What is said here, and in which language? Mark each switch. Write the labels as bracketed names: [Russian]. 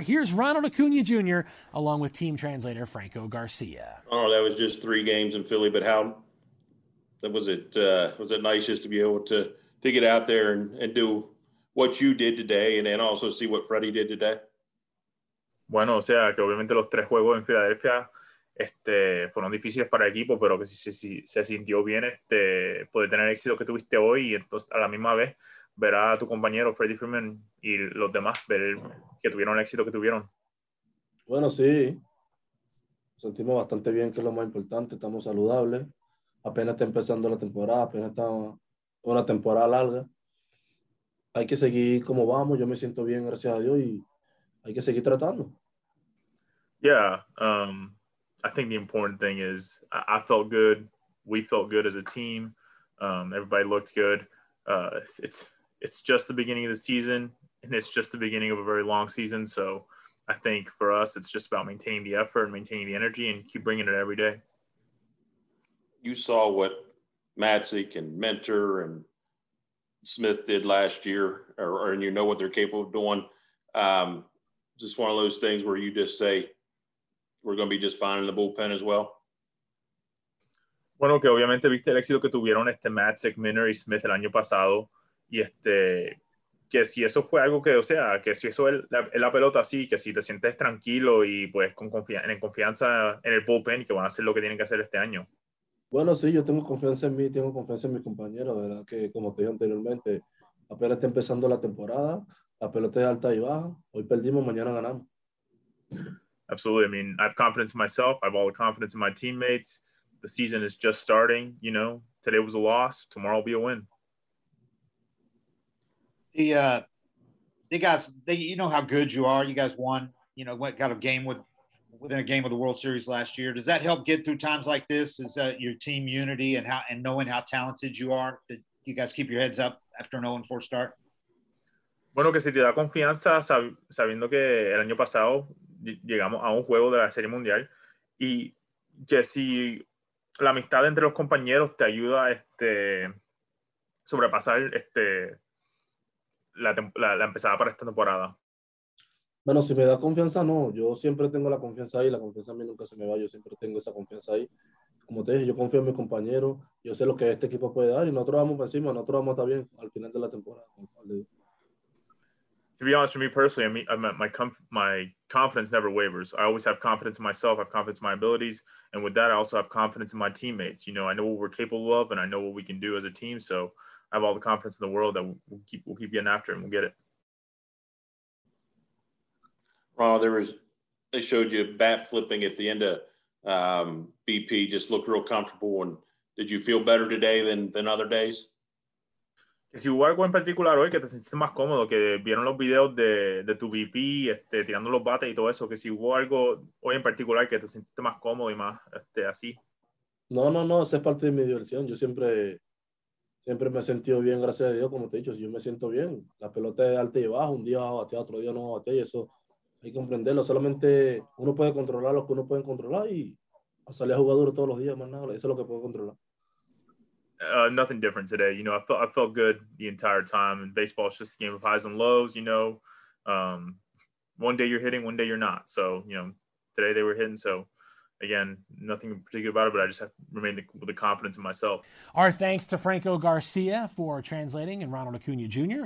[English] Here's Ronald Acuña Jr. along with team translator Franco Garcia. Oh, that was just 3 games in Philly, but how was it? Was it nice just to be able to get out there and do what you did today and also see what Freddie did today? [Spanish] Bueno, o sea, que obviamente los tres juegos en Filadelfia fueron difíciles para el equipo, pero que se sintió bien poder tener el éxito que tuviste hoy. Y entonces, a la misma vez, ver a tu compañero Freddie Freeman y los demás, ver que tuvieron el éxito que tuvieron. Bueno, sí. Sentimos bastante bien, que es lo más importante. Estamos saludables. Apenas está empezando la temporada, apenas está una temporada larga. Hay que seguir como vamos. Yo me siento bien, gracias a Dios, y hay que seguir tratando. [English] Yeah, I think the important thing is I felt good. We felt good as a team. Everybody looked good. It's just the beginning of the season, and it's just the beginning of a very long season. So I think for us, it's just about maintaining the effort and maintaining the energy and keep bringing it every day. You saw what Matzik and Mentor and Smith did last year, and you know what they're capable of doing. Is this one of those things where you just say, we're going to be just fine in the bullpen as well? [Spanish] Bueno, que obviamente viste el éxito que tuvieron Matzik, Mentor y Smith el año pasado. Y que si eso fue algo que, o sea, que si eso es la pelota, sí, que si te sientes tranquilo y pues con confianza en el bullpen, que van a hacer lo que tienen que hacer este año. Bueno, sí, yo tengo confianza en mí, tengo confianza en mis compañeros, ¿verdad? Que como te dije anteriormente, apenas está empezando la temporada, la pelota es alta y baja, hoy perdimos, mañana ganamos. [English] Absolutely, I mean, I have confidence in myself, I have all the confidence in my teammates, the season is just starting, you know, today was a loss, tomorrow will be a win. The guys, you know how good you are. You guys won, you know, got a game within a game of the World Series last year. Does that help get through times like this? Is your team unity and knowing how talented you are? Did you guys keep your heads up after an 0-4 start? [Spanish] Bueno, que si te da confianza, sabiendo que el año pasado llegamos a un juego de la Serie Mundial, y que si la amistad entre los compañeros te ayuda a sobrepasar la empezada para esta temporada. Bueno, si me da confianza, no. Yo siempre tengo la confianza ahí. La confianza a mí nunca se me va. Yo siempre tengo esa confianza ahí. Como te dije, yo confío en mi compañero. Yo sé lo que este equipo puede dar. Y nosotros vamos por encima. Nosotros vamos a estar bien al final de la temporada. [English] To be honest, for me personally, my confidence never wavers. I always have confidence in myself. I have confidence in my abilities. And with that, I also have confidence in my teammates. You know, I know what we're capable of. And I know what we can do as a team. So I have all the confidence in the world that we'll keep getting after and we'll get it. Ronald, they showed you bat flipping at the end of BP, just looked real comfortable. And did you feel better today than other days? [Spanish] Si hubo algo en particular hoy que te sentiste más cómodo, que vieron los videos de tu BP, tirando los bates y todo eso, que si hubo algo hoy en particular que te sentiste más cómodo y más así. No, esa es parte de mi diversión. Yo siempre me he sentido bien, gracias a Dios, como te he dicho. Si yo me siento bien, la pelota es alta y baja, un día va a batear, otro día no va a batear, y eso hay que comprenderlo. Solamente uno puede controlar lo que uno puede controlar y salir a jugar duro todos los días, más nada, eso es lo que puedo controlar. [English] Nothing different today. You know, I felt good the entire time. And baseball is just a game of highs and lows, you know. One day you're hitting, one day you're not. So, you know, today they were hitting, so again, nothing particular about it, but I just have to remain with the confidence in myself. Our thanks to Franco Garcia for translating and Ronald Acuna Jr.